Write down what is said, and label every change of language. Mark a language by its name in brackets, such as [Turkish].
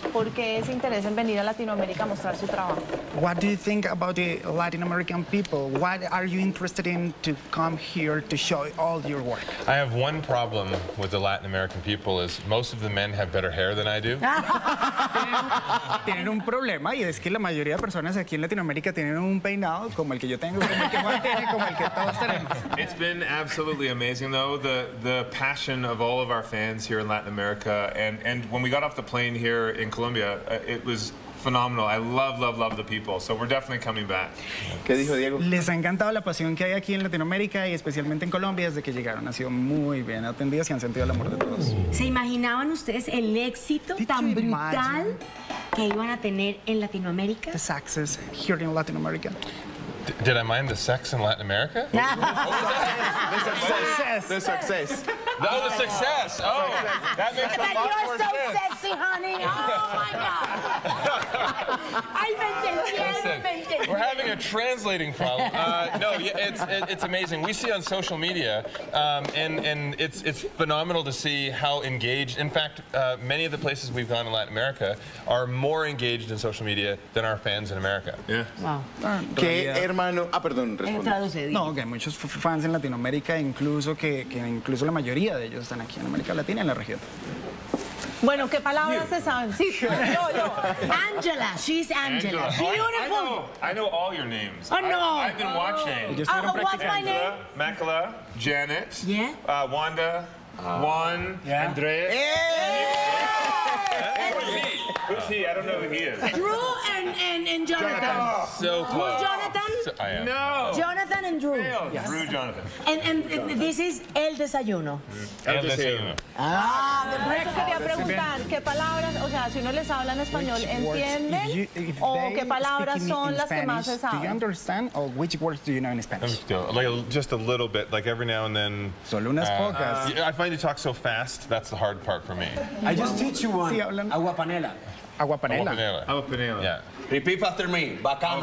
[Spanish] ¿Por qué ese interés en venir a Latinoamérica a mostrar su trabajo? [English] What do you think about the Latin American people? What are you interested in to come here to show all your work? I have one problem with the Latin American people is most of the men have better hair than I do. [Spanish] Tienen un problema y es que la mayoría de personas aquí en Latinoamérica tienen un peinado como el que yo tengo, como el que Juan tiene, como el que todos tenemos. [English] It's been absolutely amazing though. The passion of all of our fans here in Latin America, and when we got off the plane here in Colombia, it was phenomenal. I love the people, so we're definitely coming back. [Spanish] ¿Qué dijo Diego? Les ha encantado la pasión que hay aquí en Latinoamérica y especialmente en Colombia desde que llegaron. Ha sido muy bien atendidos y han sentido el amor de todos. ¿Se imaginaban ustedes el éxito tan brutal que iban a tener en Latinoamérica? [English] The success here in Latin America. Did I mind the sex in Latin America? The success. That was a success. Oh, that makes a lot more sense. You're so sexy, honey. Oh my God. We're having a translating problem. It's amazing. We see on social media, and it's phenomenal to see how engaged. In fact, many of the places we've gone in Latin America are more engaged in social media than our fans in America. Yeah. Wow. [Spanish] Que hermano, perdón, responde. No, que hay muchos fans en Latinoamérica, incluso que la mayoría de ellos están aquí en América Latina, en la región. Bueno, ¿qué palabras se saben? Sí, yo. [English] Angela, she's Angela. Angela. Beautiful. I know all your names. Oh, no. I've been watching. What's my name? Mekla, Janet, yeah. Wanda, Juan, yeah. Andrea. Yeah. That's for me. Who's he? I don't know who he is. Drew and Jonathan. So close. Who's Jonathan? So, I am. No. Jonathan and Drew. Yes. Drew Jonathan. And Jonathan. This is El Desayuno. [Spanish] El Desayuno. [English] Ah, the breakfast. [Spanish] Quería preguntar, ¿qué palabras, o sea, si uno les habla en español, entienden? You, o qué palabras son las [English] Spanish, [Spanish] que más se saben? [English] Do you understand? Or which words do you know in Spanish? Just a little bit, like every now and then. [Spanish] Solo unas pocas. [English] I find you talk so fast, that's the hard part for me. I just teach you one. Agua panela. [Spanish] Agua panela. Agua panela. Agua panela. [English] Yeah. Repeat after me. Bacano.